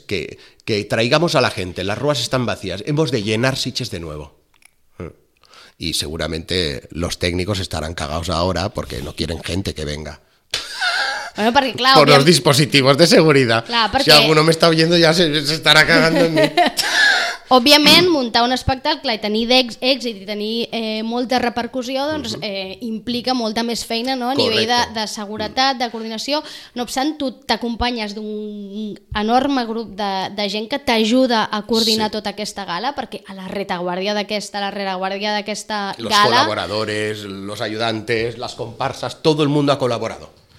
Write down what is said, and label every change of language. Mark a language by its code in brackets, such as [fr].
[es] Que traigamos a la gente, las ruas están vacías. Hemos de llenar Sitges de nuevo. Y seguramente los técnicos estarán cagados ahora porque no quieren gente que venga. Bueno, porque, claro, por los dispositivos de seguridad. Claro, porque... Si alguno me está oyendo ya se estará cagando en mí. [ca] Òbviament, muntar un espectacle, clar, i tenir èxit i tenir molta repercussió, doncs implica molta més feina, no? A correcte. Nivell de seguretat, de coordinació. No obstant, tu t'acompanyes d'un enorme grup de gent que t'ajuda a coordinar sí. Tota aquesta gala, perquè a la retaguardia d'aquesta, [es] los gala... Los col·laboradores, los ayudantes, las comparsas, todo el mundo ha colaborado.